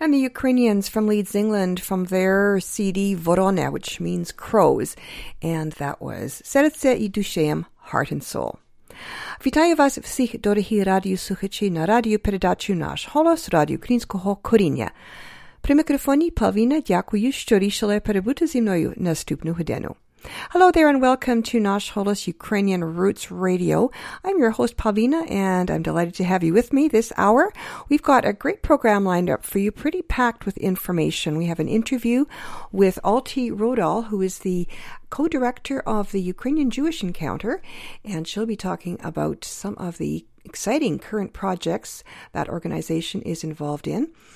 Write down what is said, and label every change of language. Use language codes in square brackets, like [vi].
[en] Ukrainians from Leeds, England, from their CD Vorone, which means crows. And that was Serce I Dusheim, Heart and Soul. [uk] Вітаю вас всіх, дорогі радіослухачі, на радіопередачу «Наш голос» Радіо Українського коріння. При мікрофоні Павіна, дякую, що рішили перебути зі мною наступну годину. [en] Hello there and welcome to Nosh Holos Ukrainian Roots Radio. I'm your host Pavlina and I'm delighted to have you with me this hour. We've got a great program lined up for you, pretty packed with information. We have an interview with Alti Rodal, who is the co-director of the Ukrainian Jewish Encounter, and she'll be talking about some of the exciting current projects that organization is involved in.